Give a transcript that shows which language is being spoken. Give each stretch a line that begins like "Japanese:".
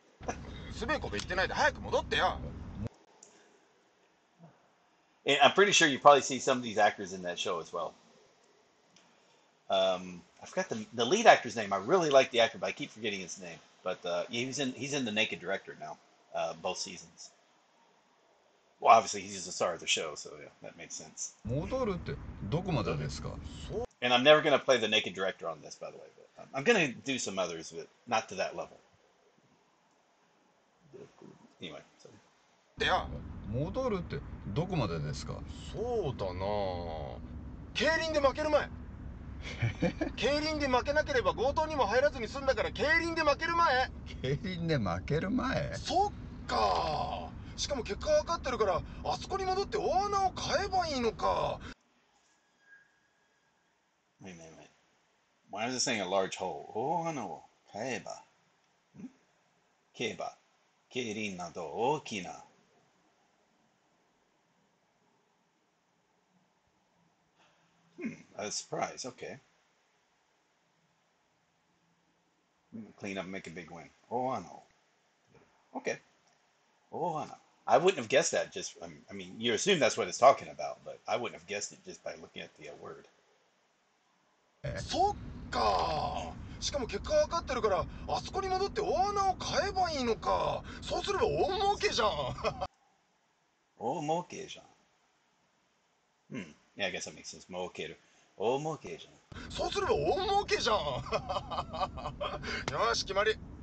English: I'm pretty sure you probably see some of these actors in that show as well. I forgot the lead actor's name. I really like the actor, but I keep forgetting his name. But he's in the Naked Director now, both seasons. Well, obviously he's just the star of the show, so yeah, that makes sense.
Japanese: 戻るってどこまでですか？
English: And I'm never gonna play the Naked Director on this, by the way. But I'm gonna do some others, but not to that level. Anyway, sorry. Yeah.
Japanese: 戻るってどこまでですか？そうだな。競輪で負ける前。競輪で負けなければ強盗にも入らずに済んだから、競輪で負ける前。競輪で負ける前。そっか。しかも結果分かってるから、あそこに戻ってオーナーを買えばいいのか。
English: Wait. Why is it saying a large hole?
Japanese: オーナーを買えば。ん？競馬、競輪など大きな。
English: A surprise, okay. Clean up and make a big win. Oh, I know. Okay. Oh, I know. I wouldn't have guessed that just, I mean, you assume that's what it's talking about, but I wouldn't have guessed it just by looking at the word.
Japanese: そっか。しかも結果わかってるから、あそこに戻ってオーナーを買えばいいのか。そうすれば大儲けじゃん。大儲けじゃん。
English: Yeah, I guess that makes sense.
Japanese: 儲ける。大儲けじゃん。そうすれば大儲けじゃん。よし、決まり。